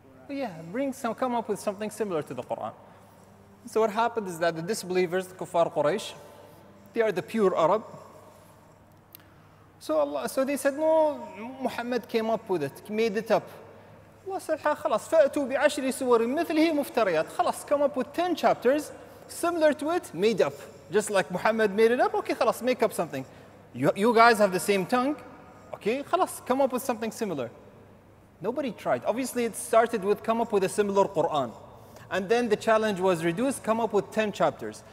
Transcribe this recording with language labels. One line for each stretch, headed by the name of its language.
English: Yeah, come up with something similar to the Quran. So what happened is that the disbelievers, the Kuffar Quraysh, they are the pure Arab. So they said, no, Muhammad came up with it, made it up. Allah said,
Arabic: خلاص, فأتوا بعشر سور مثله مفتريات.
English: خلاص, come up with 10 chapters similar to it, made up. Just like Muhammad made it up, okay, خلاص, make up something. You guys have the same tongue, okay, خلاص, come up with something similar. Nobody tried. Obviously, it started with come up with a similar Quran. And then the challenge was reduced, come up with 10 chapters.